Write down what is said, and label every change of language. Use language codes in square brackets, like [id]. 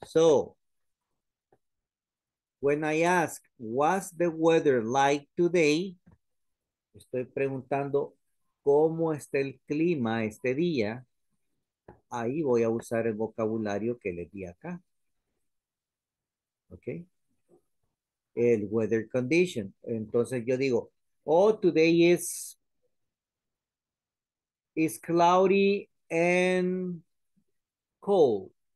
[en] So, when I ask, what's the weather like today? [es] Estoy preguntando cómo está el clima este día. Ahí voy a usar el vocabulario que les di acá. ¿Ok? El weather condition. Entonces yo digo, [en] oh, today is cloudy and cold.